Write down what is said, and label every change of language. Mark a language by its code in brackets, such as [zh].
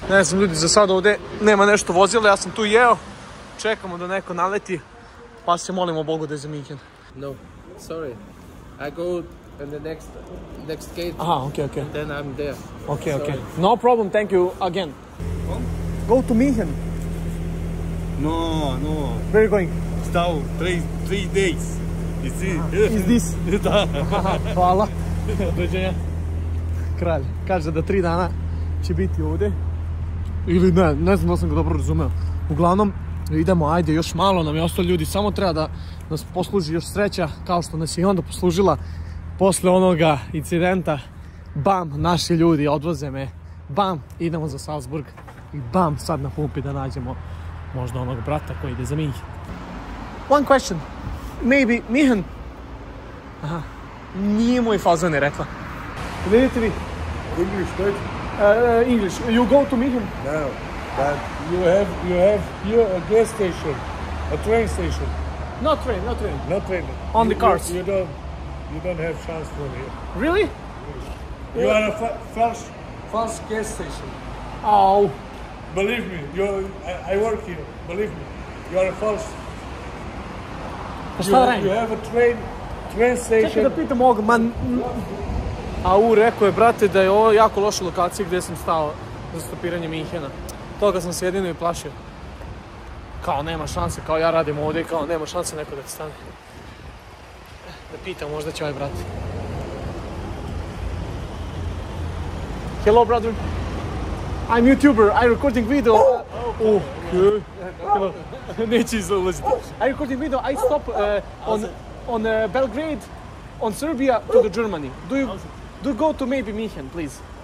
[sr] Ne znam, ljudi, za sada ovde nema nešto vozila, ja sam tu jeo. Čekamo da neko naleti, pa se molimo Bogu da je za München. [en] No, sorry. I go in the next gate. Aha, okay, okay. And then I'm there. Okay, sorry. Okay. No problem, thank you again. Go to München. No, no. Where are you going? Stau, three days. Is this? Is this? [sr] Da. Hvala. Dođenja. Kralj, kaže da tri dana će biti ovde. Ili ne, ne znam da sam ga dobro razumeo. Uglavnom, idemo, ajde, još malo nam je ostalo ljudi. Samo treba da nas posluži još sreća, kao što nas je onda poslužila. Posle onoga incidenta, bam, naši ljudi odvoze me. Bam, idemo za Salzburg. I bam, sad na pumpi da nađemo možda onog brata koji ide za mi. [en] One question. Maybe, Mihan. [sr] Aha, nije moj fazon je rekla. Vidite vi? [en] English, Deutsch? English. You go to München? No, but you have here a gas station, a train station. Not train. Not train. On the cars. You don't have chance from here. Really? You are a false gas station. Oh. Believe me, I work here. Believe me, you are a false. You have a train station. [sr] Čekaj da pitam ovog, man. Au, rekao je, brate, da je ovo jako loša lokacija gde sam stao za stopiranje Minhena. Toga sam se jedino i plašio. Kao, nema šanse, kao ja radim ovde, kao nema šanse neko da ti stane. Da pitam, možda će ovaj brat. [en] Hello, brother. I'm YouTuber, I'm recording video. Oh, okay. [sr] Neće izlaziti. [en] I'm recording video, I stop on Belgrade, on Serbia, to the Germany. Do you... Do go to maybe München, please.